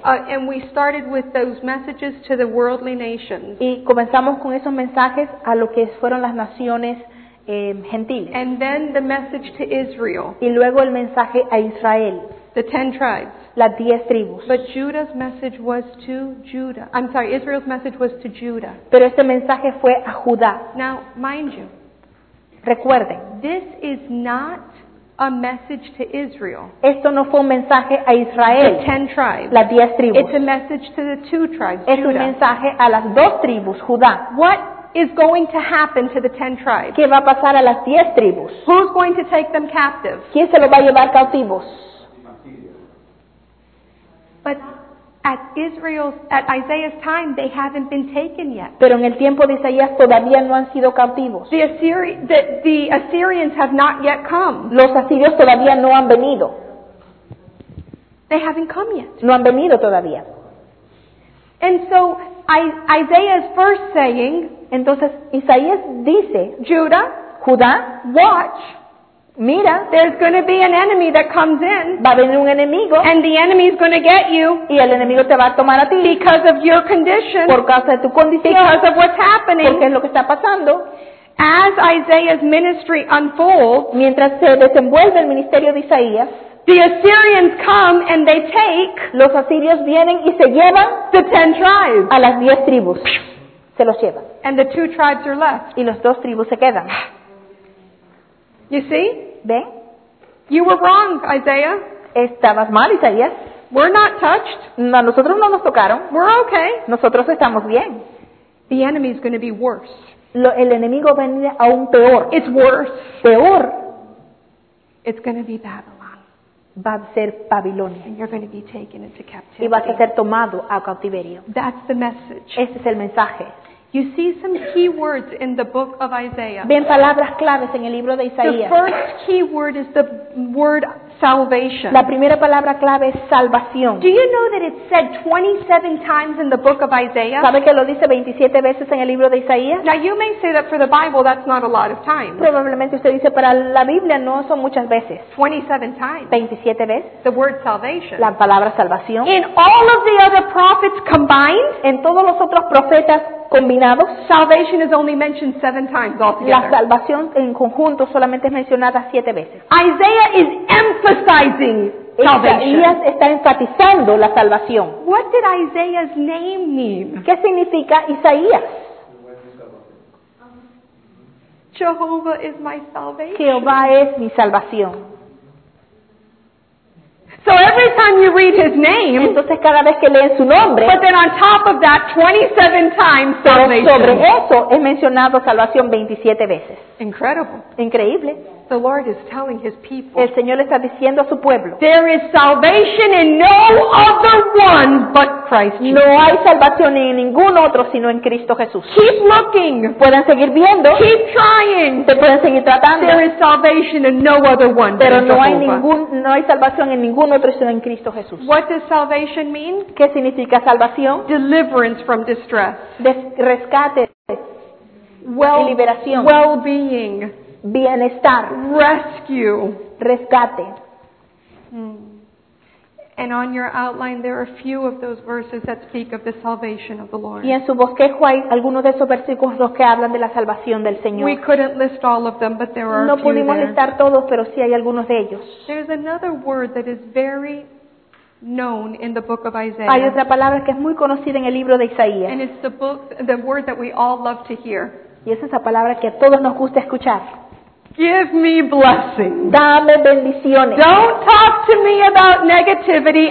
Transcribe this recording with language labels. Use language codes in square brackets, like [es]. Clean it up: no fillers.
[en] And we started with those messages to the worldly nations. [es] Y comenzamos con esos mensajes a lo que fueron las naciones gentiles. [en] And then the message to Israel. [es] Y luego el mensaje a Israel. [en] The 10 tribes. [es] Las 10 tribus. [en] But Judah's message was to Judah. I'm sorry, Israel's message was to Judah. [es] Pero este mensaje fue a Judá. [en] Now, mind you. [es] Recuerden. [en] This is not a message to Israel. [es] Esto no fue un mensaje a Israel. [en] The 10 tribes. [es] Las 10 tribus. [en] It's a message to the 2 tribes. [es] Es un mensaje a las 2 tribus, Judá. [en] What is going to happen to the 10 tribes? [es] ¿Qué va a pasar a las 10 tribus? [en] Who's going to take them captive? [es] ¿Quién se los va a llevar cautivos? [en] But at Isaiah's time, they haven't been taken yet. [es] Pero en el tiempo de Isaías todavía no han sido cautivos. [en] The Assyrians have not yet come. [es] Los asirios todavía no han venido. [en] They haven't come yet. [es] No han venido todavía. [en] And so Isaiah is first saying, [es] entonces Isaías dice, [en] Judah, [es] Judá, [en] watch, [es] mira, [en] there's going to be an enemy that comes in, [es] va a venir un enemigo, [en] and the enemy is going to get you, [es] y el enemigo te va a tomar a ti, [en] because of your condition, [es] por causa de tu condición, [en] because of what's happening, [es] porque es lo que está pasando. [en] As Isaiah's ministry unfolds, [es] mientras se desenvuelve el ministerio de Isaías, [en] the Assyrians come and they take, [es] los asirios vienen y se llevan, [en] the 10 tribes, [es] a las 10 tribus, se los llevan, [en] and the 2 tribes are left, [es] y los 2 tribus se quedan. [en] You see? [es] ¿Ven? [en] You were wrong, Isaiah. [es] Estabas mal, Isaías. [en] We're not touched. [es] No, nosotros no nos tocaron. [en] We're okay. [es] Nosotros estamos bien. [en] The enemy is going to be worse. [es] El enemigo va a venir aún peor. [en] It's worse. [es] Peor. [en] It's going to be Babylon. [es] Va a ser Babilonia. [en] And you're going to be taken into captivity. [es] Y vas a ser tomado a cautiverio. [en] That's the message. [es] Ese es el mensaje. [en] You see some key words in the book of Isaiah. [es] Ven palabras claves en el libro de Isaías. [en] The first key word is the word salvation. [es] La primera palabra clave es salvación. [en] Do you know that it's said 27 times in the book of Isaiah? [es] ¿Sabe que lo dice 27 veces en el libro de Isaías? [en] Now you may say that for the Bible that's not a lot of time. [es] Probablemente usted dice para la Biblia no son muchas veces. [en] 27 times. [es] 27 veces. [en] The word salvation. [es] La palabra salvación. [en] In all of the other prophets combined, [es] en todos los otros profetas combinados, [en] salvation is only mentioned 7 times altogether. [es] La salvación en conjunto solamente es mencionada 7 veces. [en] Isaiah is emphasizing salvation. [es] Isaías está enfatizando la salvación. [en] What did Isaiah's name mean? [es] ¿Qué significa Isaías? [en] Jehovah is my salvation. [es] Jehová es mi salvación. [en] So every time you read his name, [es] entonces cada vez que leen su nombre, [en] but then on top of that, 27 times salvation. [es] Sobre eso es mencionado salvación 27 veces. [en] Incredible. [es] Increíble. [en] The Lord is telling his people. [es] El Señor le está diciendo a su pueblo. [en] There is salvation in no other one but Christ Jesus. [es] No hay salvación en ningún otro sino en Cristo Jesús. [en] Keep looking. [es] Pueden seguir viendo. [en] Keep trying. [es] Se pueden seguir tratando. [en] There is salvation in no other one. [es] Pero no hay ningún, no hay salvación en ningún otro sino en Cristo Jesús. [en] What does salvation mean? [es] ¿Qué significa salvación? [en] Deliverance from distress. [es] Rescate. Liberación. [en] Well-being. [es] Bienestar. [en] Rescue. [es] Rescate. [en] And on your outline there are a few of those verses that speak of the salvation of the Lord. [es] Y en su bosquejo hay algunos de esos versículos que hablan de la salvación del Señor. [en] We couldn't list all of them, but there are [es] no pudimos [en] few there. [es] Listar todos, pero sí hay algunos de ellos. [en] There's another word that is very known in the book of Isaiah. [es] Hay otra palabra que es muy conocida en el libro de Isaías. [en] And it's the book, the word that we all love to hear. [es] Y es esa palabra que a todos nos gusta escuchar. [en] Give me blessing. [es] Dame bendiciones. [en] Don't talk to me about negativity.